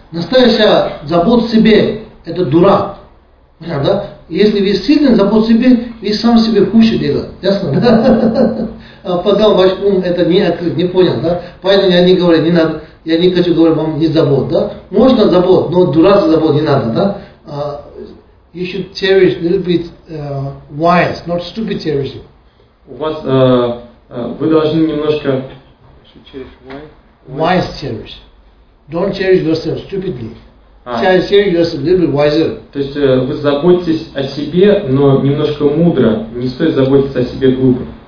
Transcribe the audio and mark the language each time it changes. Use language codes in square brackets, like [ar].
[ru] Настоящая забота о себе – это дурак. Понятно, да? Если вы сильный, забота о себе, вы сам себе хуже делаете. Ясно, да? Пока ваш ум это не открыт, не понял, да? Поэтому я не говорю, не надо, я не хочу говорить вам не забот, да? Можно забот, но дурацкий забот не надо, да? [en] You should cherish a little bit wise, not stupid cherishing. [ru] У вас, вы должны немножко... [en] Wise cherish. Don't cherish yourself stupidly. Cherish yourself a little bit wiser. [ru] То есть вы заботитесь о себе, но немножко мудро. Не стоит заботиться о себе глупо.